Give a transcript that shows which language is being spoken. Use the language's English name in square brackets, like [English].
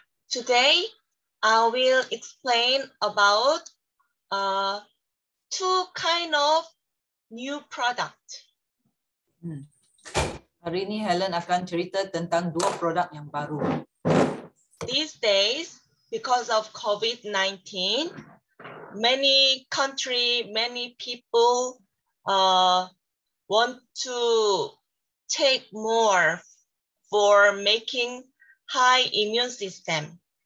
[English] Today, I will explain about two kind of new product. [Malay] Hari ini Helen akan cerita tentang dua produk yang baru. [English] These days, because of COVID-19, many country, many people want to take more for making high immune system.